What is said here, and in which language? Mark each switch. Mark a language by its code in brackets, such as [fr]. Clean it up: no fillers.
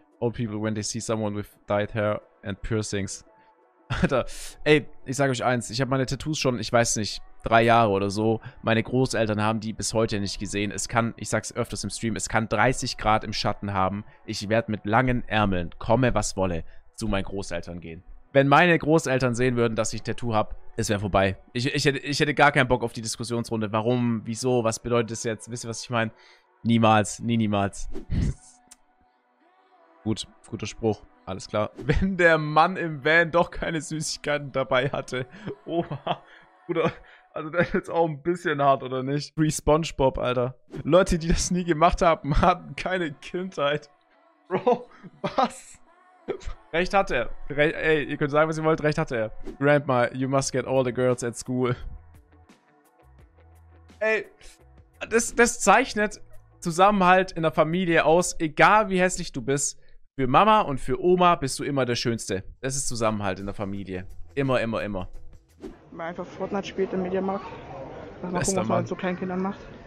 [en] Old people, when they see someone with dyed hair and piercings. [de] Alter, ey, ich sage euch eins. Ich habe meine Tattoos schon, ich weiß nicht, 3 Jahre oder so. Meine Großeltern haben die bis heute nicht gesehen. Es kann, ich sag's öfters im Stream, es kann 30 Grad im Schatten haben. Ich werde mit langen Ärmeln, komme was wolle, zu meinen Großeltern gehen. Wenn meine Großeltern sehen würden, dass ich Tattoo habe, es wäre vorbei. Ich hätte gar keinen Bock auf die Diskussionsrunde. Warum, wieso, was bedeutet das jetzt? Wisst ihr, was ich meine? Niemals, nie, niemals. Gut, guter Spruch, alles klar. Wenn der Mann im Van doch keine Süßigkeiten dabei hatte. Oha, Bruder, also das ist jetzt auch ein bisschen hart, oder nicht? [en] Free SpongeBob, [de] Alter. Leute, die das nie gemacht haben, hatten keine Kindheit. Bro, was? Recht hatte er. Ey, ihr könnt sagen, was ihr wollt, recht hatte er. [en] Grandma, you must get all the girls at school. [de] Ey, das zeichnet Zusammenhalt in der Familie aus, egal wie hässlich du bist. Für Mama und für Oma bist du immer der Schönste. Das ist Zusammenhalt in der Familie. Immer, immer, immer. Man einfach Fortnite spielt im Mediamarkt. Mal gucken, was man halt so kleinen Kindern macht.